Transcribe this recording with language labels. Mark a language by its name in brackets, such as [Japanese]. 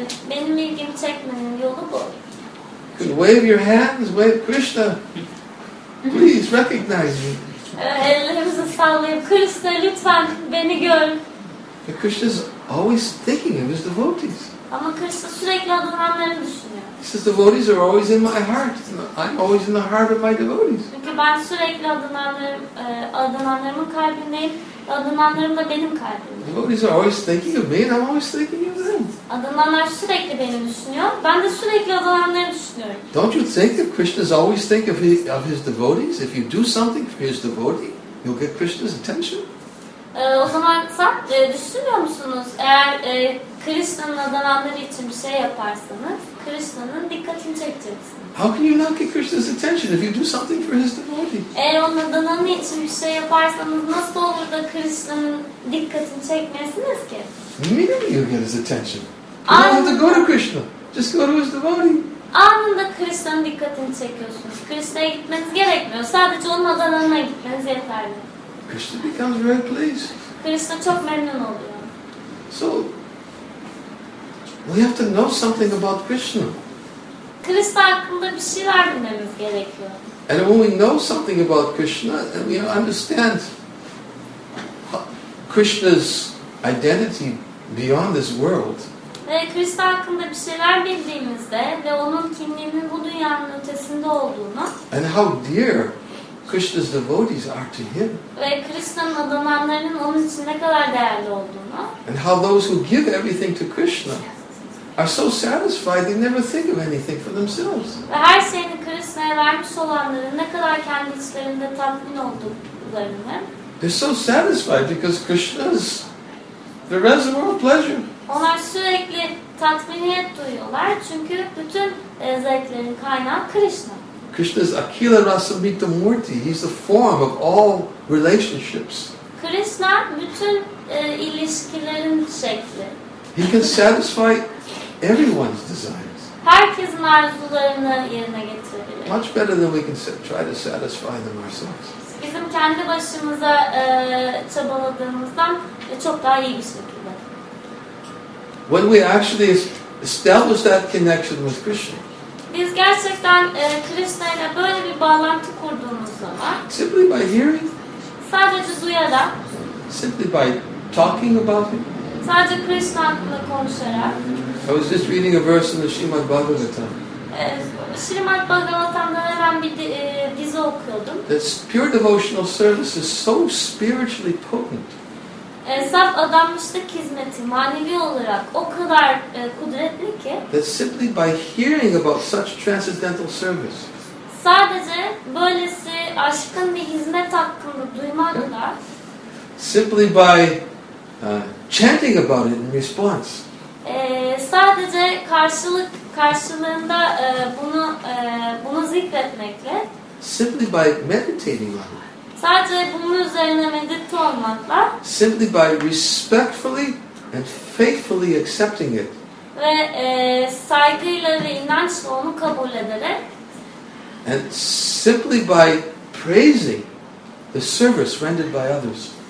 [Turkish] Benim ilgimi çekmenin yolu bu. [English] Could wave your hands, wave Krishna. Please recognize me. [Turkish] Ellerimizi sallayıp Krishna lütfen beni gör. [English] Krishna is always thinking of his devotees. [Turkish] Ama Krishna sürekli adananlarını düşünüyor. [English] He says, devotees are always in my heart. I'm always in the heart of my devotees. [Turkish] Çünkü ben sürekli adananlarımın kalbindeyim. Adananlarım da benim kalbimde. [English] Devotees are always thinking of me and I'm always thinking of them. [Turkish] Adananlar sürekli beni düşünüyor. Ben de sürekli adananları düşünüyorum. [English] Don't you think that Krishna is always thinking of his devotees? If you do something for his devotee, you'll get Krishna's attention. [Turkish] O zaman düşünmüyor musunuz? Eğer Krishna'nın adananları için bir şey yaparsanız, Krishna'nın dikkatini çekeceksiniz. [English] How can you not get Krishna's attention if you do something for his devotee? [Turkish] Eğer onun adananı için bir şey yaparsanız, nasıl olur da Krishna'nın dikkatini çekmezsiniz ki? [English] Immediately you'll get his attention. You don't have to go to Krishna. Just go to his devotee. [Turkish] Anında Krishna'nın dikkatini çekiyorsunuz. Krishna'ya gitmeniz gerekmiyor. Sadece onun adananına gitmeniz yeterli. [English] Krishna becomes very pleased. [Turkish] Krishna çok memnun oluyor. [English] So, we have to know something about Krishna. [Turkish] Krishna hakkında bir şeyler bilmemiz gerekiyor. [English] And when we know something about Krishna, and we understand Krishna's identity beyond this world. [Turkish] Ve Krishna hakkında bir şeyler bildiğimizde ve onun kimliğinin bu dünyanın ötesinde olduğunu. [English] And how dear Krishna's devotees are to him. [Turkish] Ve Krishna'nın adananlarının onun için ne kadar değerli olduğunu. [English] And how those who give everything to Krishna are so satisfied they never think of anything for themselves. [Turkish] Ve her şeyini Krishna'ya vermiş olanların ne kadar kendi içlerinde tatmin olduklarını. [English] They're so satisfied because Krishna's the reservoir of pleasure. [Turkish] Onlar sürekli tatminiyet duyuyorlar çünkü bütün zevklerin kaynağı Krishna. [English] Krishna's Akhila Rasamrita Murti. He's the form of all relationships. [Turkish] Krishna bütün ilişkilerin şekli. [English] He can satisfy everyone's desires. [Turkish] Herkesin arzularını yerine getirebilir. [English] Much better than we can try to satisfy them ourselves. [Turkish] Bizim kendi başımıza çabaladığımızdan çok daha iyi bir şekilde. [English] When we actually establish that connection with Krishna. [Turkish] Biz gerçekten Krishna ile böyle bir bağlantı kurduğumuz zaman [English] simply by hearing, [Turkish] sadece duyarak, [English] simply by talking about him, [Turkish] sadece Krishna hakkında konuşarak. [English] I was just reading a verse in the Srimad Bhagavatam. [Turkish] Srimad Bhagavatam'dan hemen bir dizi okuyordum. [English] That pure devotional service is so spiritually potent. [Turkish] Saf adanmışlık hizmeti manevi olarak o kadar kudretli ki. [English] That simply by hearing about such transcendental service. [Turkish] Sadece böylesi aşkın bir hizmet hakkını duymakla. [English] Yeah. Simply by chanting about it in response. [Turkish] Sadece karşılığında bunu zikretmekle. [English] Simply by meditating on it. [Turkish] Sadece bunun üzerine medite olmakla. [English] Simply by respectfully and faithfully accepting it. [Turkish] ve saygıyla ve inançla onu kabul ederek. [English] And simply by praising the service rendered by others.